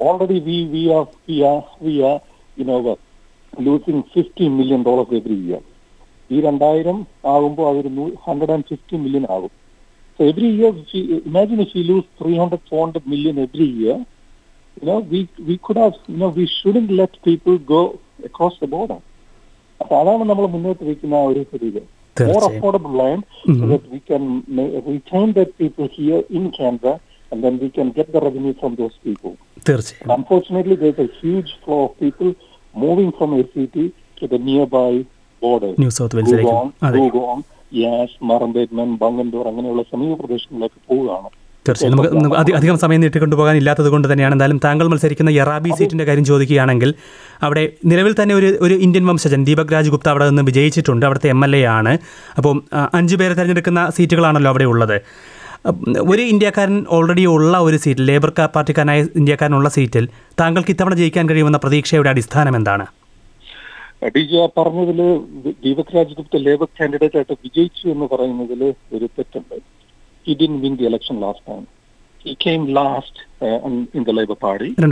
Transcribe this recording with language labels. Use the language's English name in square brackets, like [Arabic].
[English] already we are you know losing $50 million every year. [Malayalam] ee 2000 aagumbo adu 150 million aagum. [English] So every year imagine if we lose 300 400 million every year. You know, we shouldn't let people go across the border. [Malayalam] അപ്പൊ അതാണ് നമ്മൾ മുന്നോട്ട് വയ്ക്കുന്ന ഒരു രീതി. [English] More affordable land so that we can retain that people here in Canberra and then we can get the revenue from those people. [Malayalam] തീർച്ചയായും. [English] Unfortunately, there's a huge flow of people moving from ACT to the nearby border. New South Wales. [Malayalam] Googong, Yass, Murrumbateman, Bungendore, അങ്ങനെയുള്ള സമീപ പ്രദേശങ്ങളിലേക്ക് പോവുകയാണ്. തീർച്ചയായും. നമുക്ക് അധികം സമയം നീട്ടിക്കൊണ്ടു പോകാൻ ഇല്ലാത്തത് കൊണ്ട് തന്നെയാണ്. എന്തായാലും താങ്കൾ മത്സരിക്കുന്ന എറാബി സീറ്റിന്റെ കാര്യം ചോദിക്കുകയാണെങ്കിൽ, അവിടെ നിലവിൽ തന്നെ ഒരു ഇന്ത്യൻ വംശജൻ ദീപക് രാജ്ഗുപ്ത അവിടെ നിന്ന് വിജയിച്ചിട്ടുണ്ട്, അവിടുത്തെ MLA ആണ്. അപ്പോൾ 5 പേരെ തിരഞ്ഞെടുക്കുന്ന സീറ്റുകളാണല്ലോ അവിടെ ഉള്ളത്. ഒരു ഇന്ത്യക്കാരൻ ഓൾറെഡി ഉള്ള ഒരു സീറ്റ്, ലേബർ പാർട്ടിക്കാരനായ ഇന്ത്യക്കാരനുള്ള സീറ്റിൽ താങ്കൾക്ക് ഇത്തവണ ജയിക്കാൻ കഴിയുമെന്ന പ്രതീക്ഷയുടെ അടിസ്ഥാനം എന്താണ്? പറഞ്ഞതില് ദീപക് രാജ്ഗുപ്ത ലേബർ കാൻഡിഡേറ്റ് ആയിട്ട് വിജയിച്ചു എന്ന് പറയുന്നതിൽ ഒരു തെറ്റുണ്ട്. [English] He didn't win the election last time. He came last in the Labour Party.